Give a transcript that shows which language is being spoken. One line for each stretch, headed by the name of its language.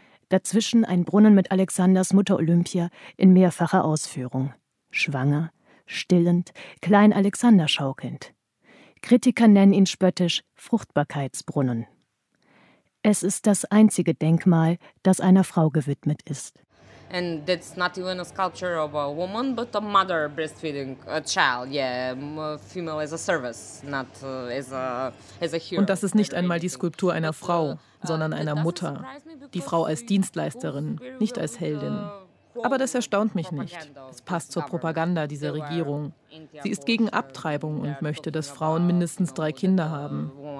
German: Dazwischen ein Brunnen mit Alexanders Mutter Olympia in mehrfacher Ausführung. Schwanger, stillend, klein Alexander schaukelnd. Kritiker nennen ihn spöttisch Fruchtbarkeitsbrunnen. Es ist das einzige Denkmal, das einer Frau gewidmet ist.
English: And that's not even a sculpture of a woman, but a mother breastfeeding a child. Yeah, female as a service, not as a human.
German: Und das ist nicht einmal die Skulptur einer Frau, sondern einer Mutter. Die Frau als Dienstleisterin, nicht als Heldin. Aber das erstaunt mich nicht. Es passt zur Propaganda dieser Regierung. Sie ist gegen Abtreibung und möchte, dass Frauen mindestens 3 Kinder haben.